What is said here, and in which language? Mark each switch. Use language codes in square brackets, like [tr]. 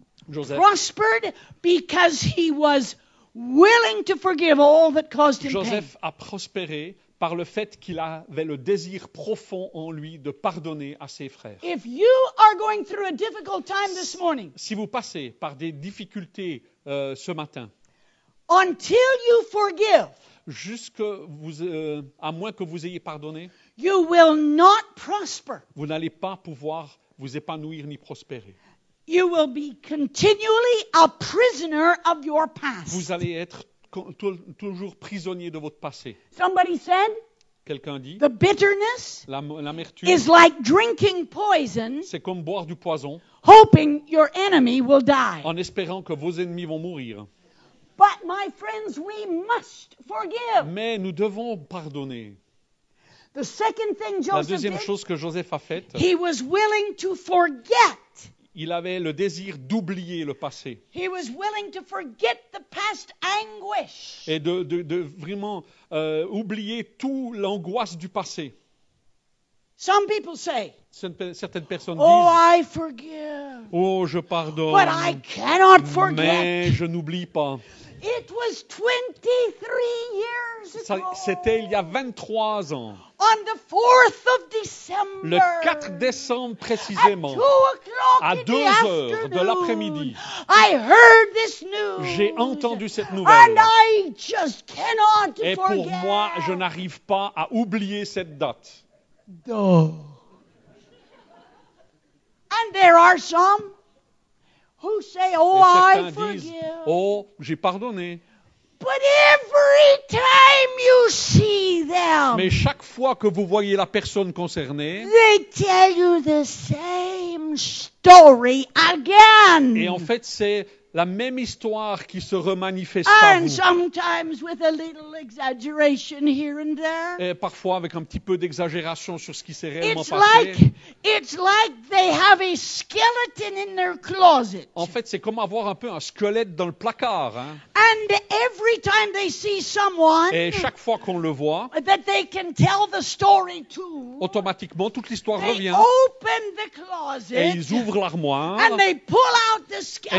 [en] Joseph prospered because he was willing to forgive all that caused him Joseph pain. [fr] Joseph a prospéré par le fait qu'il avait le désir profond en lui de pardonner à ses frères. [en] If you are going through a difficult time this morning, [fr] si vous passez par des difficultés ce matin, [en] until you forgive, [fr] à moins que vous ayez pardonné, [en] you will not prosper. [fr] Vous n'allez pas pouvoir vous épanouir ni prospérer. [en] You will be continually a prisoner of your past. [fr] Vous allez être toujours prisonnier de votre passé. [en] Somebody said, [fr] quelqu'un dit, [en] the bitterness [fr] l'amertume [en] is like drinking poison, [fr] c'est comme boire du poison, [en] hoping your enemy will die. [fr] En espérant que vos ennemis vont mourir. [en] But my friends, we must forgive. [fr] Mais nous devons pardonner. [en] The second thing Joseph [fr] La deuxième chose que Joseph a faite, [en] he was willing to forget. [fr] Il avait le désir d'oublier le passé. [en] He was willing to forget the past anguish. [fr] Et de vraiment oublier tout l'angoisse du passé. [en] Some people say, [fr] certaines personnes oh, disent, [en] I forgive, [fr] oh, je pardonne, [en] but I cannot forget. [fr] Mais je n'oublie pas. [en] It was 23 years ago. [fr] C'était il y a 23 ans. [en] On the 4th of December, [fr] le 4 décembre précisément, à 2 heures de l'après-midi, [en] I heard this news, [fr] j'ai entendu cette nouvelle. [en] And I just cannot [fr] Et pour [en] forget. [fr] Moi, je n'arrive pas à oublier cette date. Oh. [en] And there are some who say, oh, I forgive. [fr] Oh, j'ai pardonné. [en] But every time you see them, [fr] mais chaque fois que vous voyez la personne concernée, [en] they tell you the same story again. [fr] Et en fait, c'est la même histoire qui se remanifeste [en] and [fr] à vous. [en] And sometimes with a little exaggeration here and there. [fr] Et parfois avec un petit peu d'exagération sur ce qui s'est réellement [en] it's [fr] passé. [en] It's like they have a skeleton in their closet. [fr] En fait, c'est comme avoir un peu un squelette dans le placard. Hein. [en] And every time they see someone. [fr] Et chaque fois qu'on le voit. [en] That they can tell the story to. [fr] Automatiquement, toute l'histoire [en] they [fr] revient. [en] They open the closet. [fr] Et ils ouvrent l'armoire. [en] And they pull out the skeleton.